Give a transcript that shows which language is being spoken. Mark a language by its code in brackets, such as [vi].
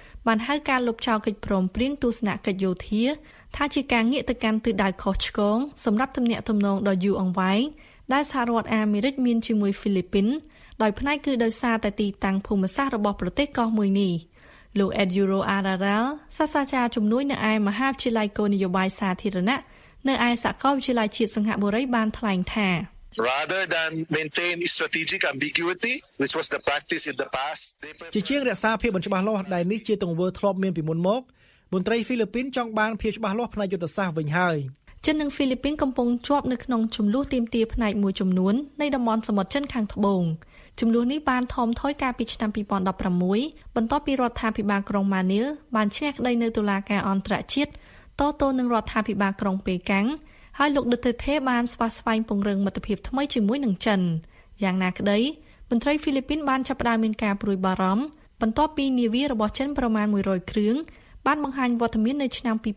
[km] បានហៅការលុបចោលកិច្ចព្រមព្រៀងទស្សនកិច្ចយោធាថាជាការងាកទៅកាន់ទិសដៅខុសឆ្គងសម្រាប់ទំនាក់ទំនងដ៏យូរអង្វែងដែលសហរដ្ឋអាមេរិកមានជាមួយហ្វីលីពីន ដោយផ្នែកគឺដោយសារតែទីតាំងភូមិសាស្ត្ររបស់ប្រទេសកោះមួយនេះលោក Ed Euro Aral សាស្ត្រាចារ្យជំនួយនៅឯមហាវិទ្យាល័យគោលនយោបាយសាធារណៈនៅឯសាកលវិទ្យាល័យជាតិសង្ហបុរីបានថ្លែងថា [en] Rather than maintain strategic ambiguity which was the practice in the past [km] ជាជាងរក្សាភាពមិនច្បាស់លាស់ដែលនេះជាទង្វើធ្លាប់មានពីមុនមកមន្ត្រីហ្វីលីពីនចង់បានភាពច្បាស់លាស់ផ្នែកយុទ្ធសាស្ត្រវិញហើយ ចិននិងហ្វីលីពីនកំពុងជាប់នៅក្នុងចំនួនទីមទាផ្នែកមួយចំនួននៃតំបន់សមុទ្រចិនខាងត្បូងចំនួននេះបានថមថយកាលពីឆ្នាំ2016បន្ទាប់ពីរដ្ឋាភិបាលក្រុងម៉ានីលបានឈ្នះក្តីនៅតុលាការអន្តរជាតិតទៅនឹងរដ្ឋាភិបាលក្រុងប៉េកាំងហើយលោកដុតេធេបានស្វាស្វែងពង្រឹងមិត្តភាពថ្មីជាមួយនឹងចិនយ៉ាងណាក្តីមន្ត្រីហ្វីលីពីនបានចាប់ផ្តើមមានការព្រួយបារម្ភបន្ទាប់ពីនាវារបស់ចិនប្រមាណ100គ្រឿងបានបង្ហាញវត្តមាននៅឆ្នាំ